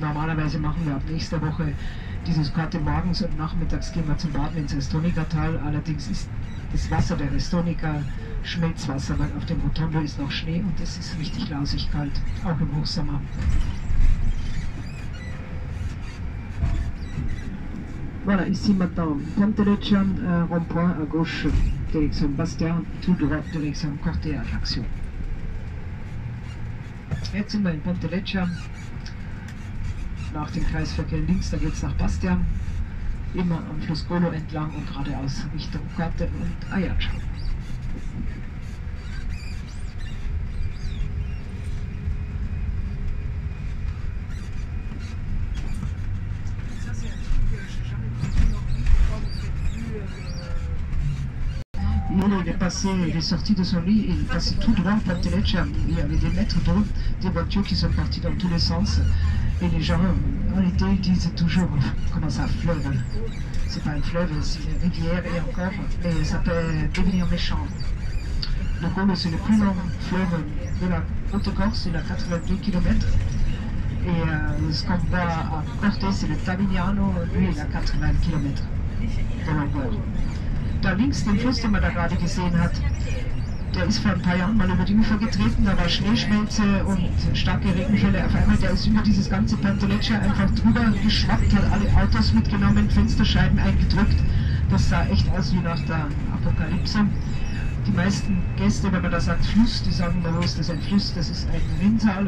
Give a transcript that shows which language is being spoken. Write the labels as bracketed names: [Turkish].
[German] Normalerweise machen wir ab nächster Woche dieses Karte morgens und nachmittags gehen wir zum Baden ins Restonica-Tal. Allerdings ist das Wasser der Restonica Schmelzwasser, weil auf dem Rotondo ist noch Schnee und es ist richtig lausig kalt, auch im Hochsommer. [French] Voilà, ici maintenant, Ponte Leccia, rond-point à gauche, direction Bastia, tout droit, direction Corte à Ajaccio. [German] Jetzt sind wir in Ponte Leccia, nach dem Kreisverkehr links, da geht es nach Bastia, immer am Fluss Golo entlang und geradeaus Richtung Corte und Ajaccio. [French] Il est passé, il est sorti de son lit et il est passé tout droit à Ponte Leccia. Il y avait des mètres d'eau, des voitures qui sont parties dans tous les sens. Et les gens, en été, ils disent toujours comment ça fleuve. C'est pas un fleuve, c'est une rivière et encore, mais ça peut devenir méchant. Le Golo, c'est le plus long fleuve de la Haute-Corse, il a 82 km. Et ce qu'on voit à Corte, c'est le Tavignano, lui, il a 80 km de longueur. [German] Da links, den Fluss, den man da gerade gesehen hat, der ist vor ein paar Jahren mal über die Ufer getreten, da war Schneeschmelze und starke Regenfälle. Auf einmal, der ist über dieses ganze Ponte Leccia einfach drüber geschwappt, hat alle Autos mitgenommen, Fensterscheiben eingedrückt. Das sah echt aus wie nach der Apokalypse. Die meisten Gäste, wenn man da sagt Fluss, die sagen, na los, das ist ein Fluss, das ist ein Rinnsal.